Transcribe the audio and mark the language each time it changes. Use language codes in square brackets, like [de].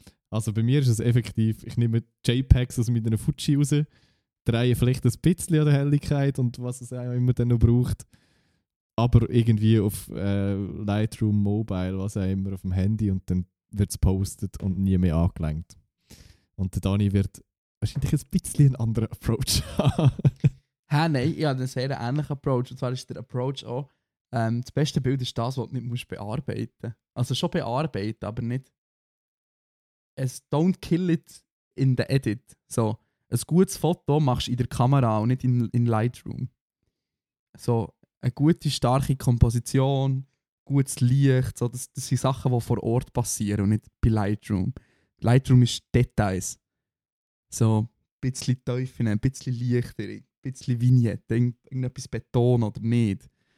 [de] Also bei mir ist es effektiv, ich nehme JPEGs aus mit einer Fuji raus, drehe vielleicht ein bisschen an der Helligkeit und was es auch immer dann noch braucht, aber irgendwie auf Lightroom Mobile, was auch immer, auf dem Handy, und dann wird es gepostet und nie mehr angelenkt. Und der Dani wird wahrscheinlich ein bisschen einen anderen Approach haben. Nein, ich habe einen sehr ähnlichen Approach. Und zwar ist der Approach auch, das beste Bild ist das, was du nicht musst bearbeiten. Also schon bearbeiten, aber nicht. [en] Es don't kill it in the edit. [de] So, ein gutes Foto machst du in der Kamera und nicht in Lightroom. So, eine gute, starke Komposition, gutes Licht, so, das sind Sachen, die vor Ort passieren und nicht bei Lightroom. Lightroom ist Details. So, ein bisschen Teufel, ein bisschen Licht, ein bisschen Vignette, irgendetwas betonen oder nicht.